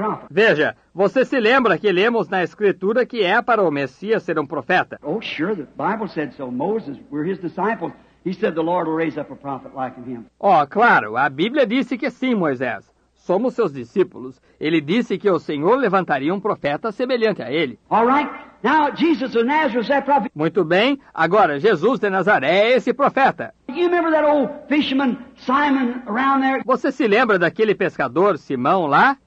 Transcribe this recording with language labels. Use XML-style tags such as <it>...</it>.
<pt>Veja, você se lembra que lemos na Escritura que é para o Messias ser um profeta?</pt> <en>Oh, sure, the Bible said so. Moses, we're his disciples. He said the Lord will raise up a prophet like him.</en> <pt>Oh, claro, a Bíblia disse que sim, Moisés. Somos seus discípulos. Ele disse que o Senhor levantaria um profeta semelhante a ele.</pt> <en>All right. Now, Jesus of Nazareth, that prophet.</en> <pt>Muito bem, agora Jesus de Nazaré é esse profeta.</pt> <en>You remember that old fisherman Simon around there?</en> <pt>Você se lembra daquele pescador Simão lá?</pt>